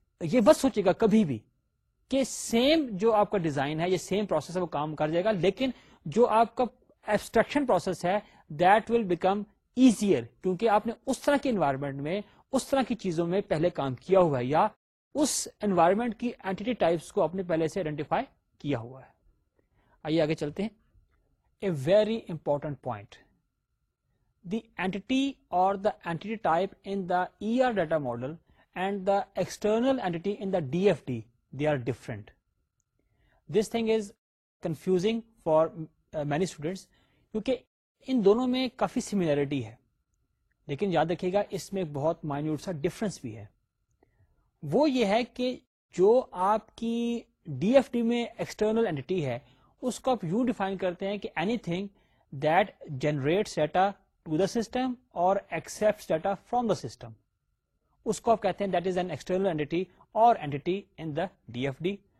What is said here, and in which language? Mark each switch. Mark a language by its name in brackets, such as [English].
[Urdu] یہ مت سوچے گا کبھی بھی کہ سیم جو آپ کا ڈیزائن ہے یا سیم پروسیس ہے وہ کام کر جائے گا, لیکن جو آپ کا ایبسٹریکشن پروسیس ہے [English] that will become easier, [Urdu] کیونکہ آپ نے اس طرح کے انوائرمنٹ میں, اس طرح کی چیزوں میں پہلے کام کیا ہوا ہے, یا اس انوائرمنٹ کی اینٹیٹی ٹائپس کو آپ نے پہلے سے آئیڈینٹیفائی کیا ہوا ہے. آئیے آگے چلتے ہیں. [English] A very important point, the entity or the entity type in the ER data model and the external entity in the DFD, they are different. This thing is confusing for many students, [Urdu] کیونکہ ان دونوں میں کافی similarity ہے, لیکن یاد رکھیے گا اس میں بہت minute سا ڈفرنس بھی ہے. وہ یہ ہے کہ جو آپ کی ڈی ایف ڈی میں ایکسٹرنل اینٹی ہے اس کو آپ یو ڈیفائن کرتے ہیں کہ [English] anything that generates data to the system [Urdu] اور accepts data from the system, اس کو آپ کہتے ہیں [English] that is an external entity [Urdu] اور entity in the D F D.